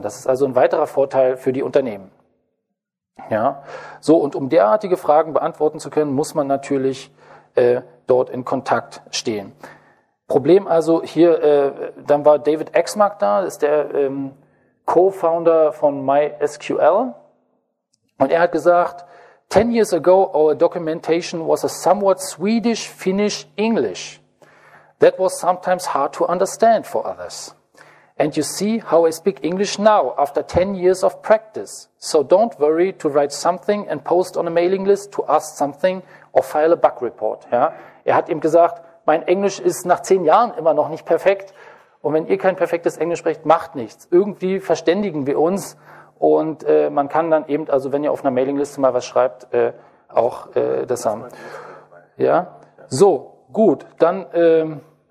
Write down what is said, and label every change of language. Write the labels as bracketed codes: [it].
[de] Das ist also ein weiterer Vorteil für die Unternehmen. Ja, so, und um derartige Fragen beantworten zu können, muss man natürlich dort in Kontakt stehen. Problem also hier, dann war David Exmark da, ist der Co-Founder von MySQL und er hat gesagt, [en] 10 years ago, our documentation was a somewhat Swedish, Finnish, English. That was sometimes hard to understand for others. And you see how I speak English now after 10 years of practice. So don't worry to write something and post on a mailing list to ask something or file a bug report. [de] Ja? Er hat ihm gesagt, mein Englisch ist nach 10 Jahren immer noch nicht perfekt. Und wenn ihr kein perfektes Englisch sprecht, macht nichts. Irgendwie verständigen wir uns. Und man kann dann eben, also wenn ihr auf einer Mailingliste mal was schreibt, auch das haben. Ja? So, gut, dann...